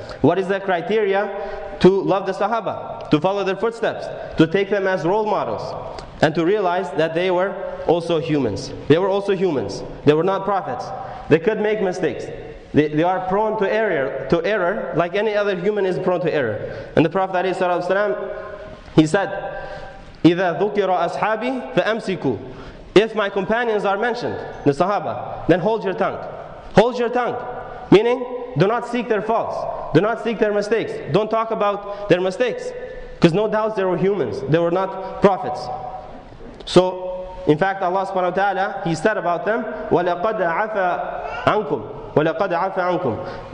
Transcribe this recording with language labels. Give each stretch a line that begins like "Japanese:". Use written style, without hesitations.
Arabic: What is the criteria to love the Sahaba? To follow their footsteps? To take them as role models? And to realize that they were also humans. They were also humans. They were not prophets. They could make mistakes. They are prone to error, like any other human is prone to error. And the Prophet عليه الصلاة والسلام, he said, إِذَا ذُكِرَ أَصْحَابِي فَأَمْسِكُوا.
English: If my companions are mentioned, the Sahaba, then hold your tongue. Hold your tongue. Meaning, do not seek their faults. Do not seek their mistakes. Don't talk about their mistakes. Because no doubt they were humans. They were not prophets. So, in fact, Allah subhanahu wa ta'ala, he said about them, وَلَقَدْ عَفَى عَنْكُمْ وَلَقَدْ عَفَى عَنْكُمْ.